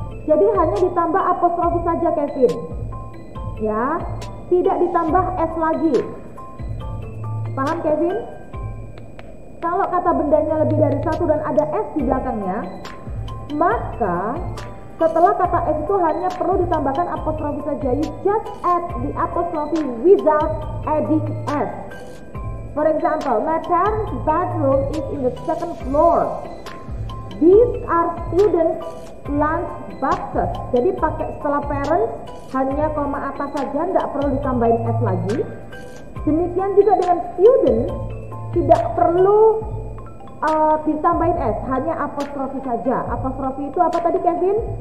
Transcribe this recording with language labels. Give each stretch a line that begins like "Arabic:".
Indonesian: Jadi hanya ditambah apostrofi saja, Kevin. Ya, tidak ditambah S lagi. Paham, Kevin? Kalau kata bendanya lebih dari satu dan ada S di belakangnya, Maka setelah kata S itu hanya perlu ditambahkan apostrofi saja.
English: You just add the apostrophe without adding S. For example, my parents' bathroom is in the second floor. These are students' lunch boxes.
Indonesian: Jadi pakai setelah parents hanya koma atas saja, tidak perlu ditambahin S lagi. Demikian juga dengan students, tidak perlu ditambahin S, hanya apostrofi saja. Apostrofi itu apa tadi, Kevin?